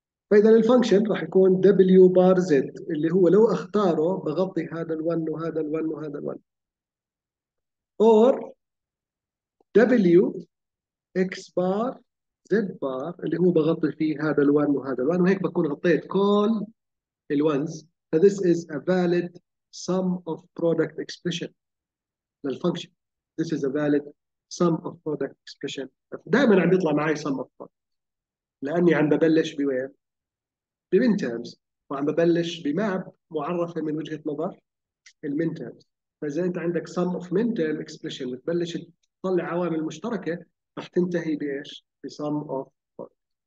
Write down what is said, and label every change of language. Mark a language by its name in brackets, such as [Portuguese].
[Arabic] فإذا الفانكشن راح يكون W بار زد، اللي هو لو أختاره بغطي هذا ال 1 وهذا ال 1 وهذا ال 1، أور W إكس بار زد بار اللي هو بغطي فيه هذا ال 1 وهذا ال 1، وهيك بكون غطيت كل ال 1s. [English] فthis is a valid sum of product expression للفانكشن. This is a valid sum of product expression. [Arabic] دائما عم بيطلع معي sum of product، لاني عم ببلش بوين؟ بمين تيرمز، وعم ببلش بماب معرفه من وجهه نظر المين تيرمز. فاذا انت عندك sum of min term expression بتبلش تطلع عوامل مشتركه، رح تنتهي بايش؟ ب sum of product.